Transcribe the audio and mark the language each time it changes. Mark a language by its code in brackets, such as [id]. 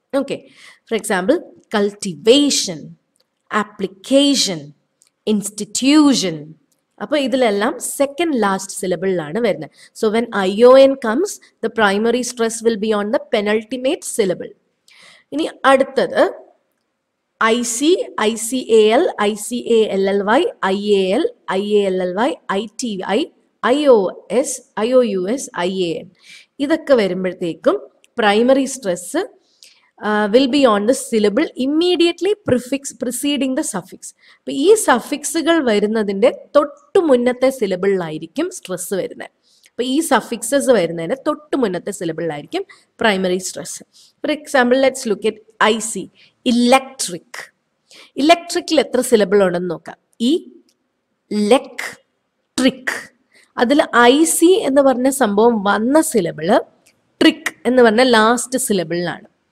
[en] Okay, for example, cultivation, application, institution. [ml] അപ്പോൾ ഇതിലെല്ലാം second last സിലബിളിലാണ് വരുന്നത്. [en] So when I O N comes the primary stress will be on the penultimate syllable. [ml] ഇനി അടുത്തത് [en] I C, I C A L, I C A L L Y, I A L, I A L L Y, I T I, I O S, I O U S, I A N. [ml] ഇതൊക്കെ വരുമ്പോഴത്തേക്കും [en] Primary stress will be on the syllable immediately prefix preceding the suffix. [ml] അപ്പം ഈ സഫിക്സുകൾ വരുന്നതിൻ്റെ തൊട്ടു മുന്നത്തെ സിലബിളിലായിരിക്കും stress വരുന്നത്. അപ്പോൾ ഈ സഫിക്സസ് വരുന്നതിന് തൊട്ട് മുന്നത്തെ സിലബിളിലായിരിക്കും primary stress. [en] For example let's look it I C electric. [ml] ഇലക്ട്രിക്കിൽ എത്ര സിലബിൾ ഉണ്ടെന്ന് നോക്കാം. ഈ ലെക് ട്രിക്ക്, അതിൽ ഐ സി എന്ന് പറഞ്ഞ സംഭവം വന്ന സിലബിള്, ട്രിക്ക് എന്ന് പറഞ്ഞ ലാസ്റ്റ് സിലബിളിലാണ്.